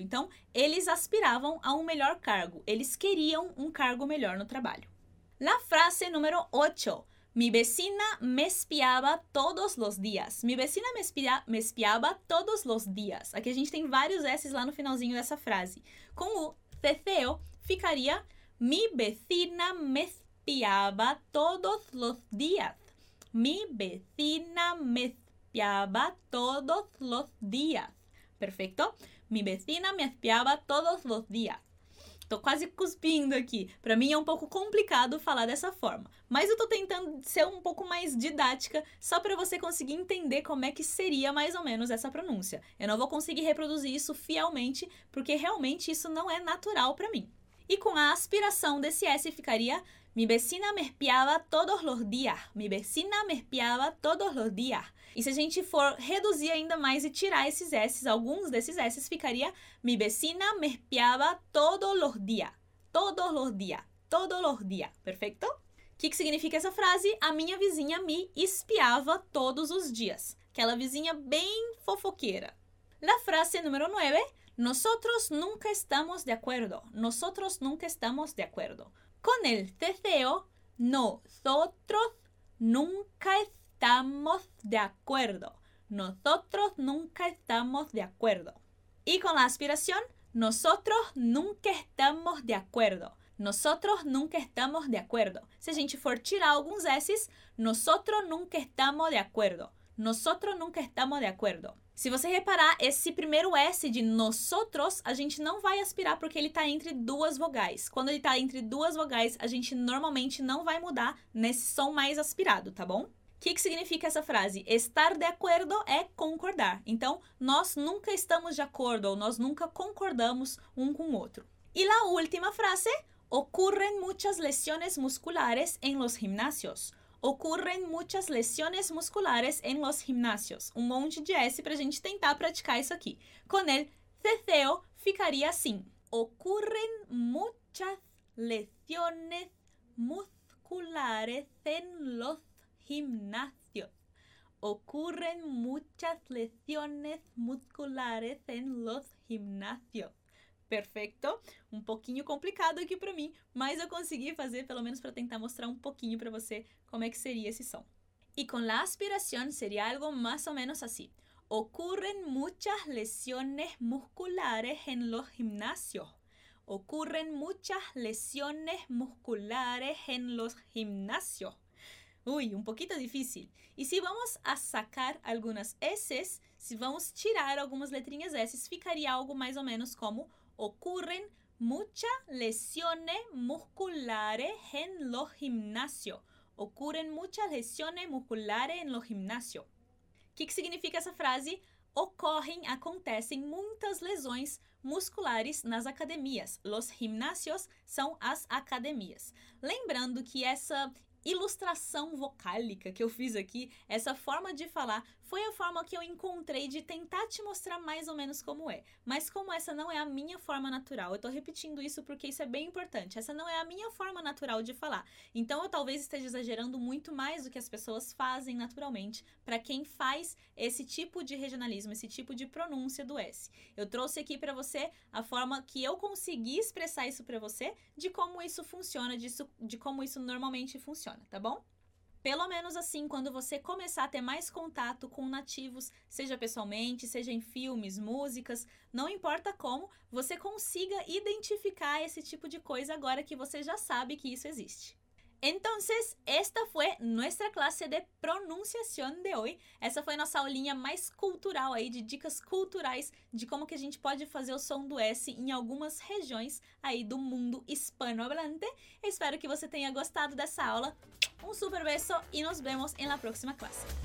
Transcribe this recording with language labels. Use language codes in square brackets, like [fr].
[pt] Então, eles aspiravam a um melhor cargo. Eles queriam um cargo melhor no trabalho. Na frase número 8, [es] mi vecina me espiava todos los días. Mi vecina me espiava todos los días. [pt] Aqui a gente tem vários S's lá no finalzinho dessa frase. Com o CCO ficaria [es] mi vecina me espiava todos los días. Mi vecina me espiaba todos los días. Perfecto. Mi vecina me espiaba todos los días. [pt] Tô quase cuspindo aqui. Para mim é um pouco complicado falar dessa forma. Mas eu tô tentando ser um pouco mais didática só para você conseguir entender como é que seria mais ou menos essa pronúncia. Eu não vou conseguir reproduzir isso fielmente porque realmente isso não é natural para mim. E com a aspiração desse S ficaria [es] mi vecina me espiaba todos los días. Mi vecina me espiaba todos los días. E se a gente for reduzir ainda mais e tirar esses S, alguns desses S, ficaria mi vecina me espiaba todos los días. Todos los días. Todos los días. Perfeito? [pt] Que significa essa frase? A minha vizinha me espiava todos os dias. Aquela vizinha bem fofoqueira. Na frase número 9, [es] nosotros nunca estamos de acuerdo. Nosotros nunca estamos de acuerdo. Con el CCO, nosotros nunca estamos de acuerdo. Nosotros nunca estamos de acuerdo. Y con la aspiración, nosotros nunca estamos de acuerdo. Nosotros nunca estamos de acuerdo. [pt] Si a gente for tirar alguns S's, [es] nosotros nunca estamos de acuerdo. Nosotros nunca estamos de acuerdo. [pt] Se você reparar, esse primeiro S de nosotros, a gente não vai aspirar porque ele está entre duas vogais. Quando ele está entre duas vogais, a gente normalmente não vai mudar nesse som mais aspirado, tá bom? Que significa essa frase? Estar de acordo é concordar. Então, nós nunca estamos de acordo ou nós nunca concordamos um com o outro. E na última frase, [es] ocurren muchas lesiones musculares en los gimnasios. Ocurren muchas lesiones musculares en los gimnasios. [pt] Um monte de S para a gente tentar praticar isso aqui. [es] Con el [pt] CCO ficaria assim. [es] Ocurren muchas lesiones musculares en los gimnasios. Ocurren muchas lesiones musculares en los gimnasios. [pt] Perfeito. Um pouquinho complicado aqui para mim, mas eu consegui fazer pelo menos para tentar mostrar um pouquinho para você como é que seria esse som. E com a aspiração seria algo mais ou menos assim. [es] Ocurren muchas lesiones musculares en los gimnasios. Ocurren muchas lesiones musculares en los gimnasios. [pt] Ui, um pouquinho difícil. E se vamos a sacar algumas S's, se vamos tirar algumas letrinhas S's, ficaria algo mais ou menos como [es] ocurren muchas lesiones musculares en los gimnasios. Ocurren muchas lesiones musculares en los gimnasios. [pt] Que significa essa frase? Ocorrem, acontecem muitas lesões musculares nas academias. [es] Los gimnasios [pt] são as academias. Lembrando que essa ilustração vocálica que eu fiz aqui, essa forma de falar, foi a forma que eu encontrei de tentar te mostrar mais ou menos como é. Mas como essa não é a minha forma natural, eu tô repetindo isso porque isso é bem importante. Essa não é a minha forma natural de falar. Então eu talvez esteja exagerando muito mais do que as pessoas fazem naturalmente para quem faz esse tipo de regionalismo, esse tipo de pronúncia do S. Eu trouxe aqui para você a forma que eu consegui expressar isso para você, de como isso funciona, de como isso normalmente funciona, tá bom? Pelo menos assim, quando você começar a ter mais contato com nativos, seja pessoalmente, seja em filmes, músicas, não importa como, você consiga identificar esse tipo de coisa agora que você já sabe que isso existe. [es] Entonces, esta fue nuestra clase de pronunciación de hoy. [pt] Essa foi nossa aulinha mais cultural aí, de dicas culturais de como que a gente pode fazer o som do S em algumas regiões aí do mundo hispanohablante. Espero que você tenha gostado dessa aula. Um super beijo e nos vemos na próxima classe.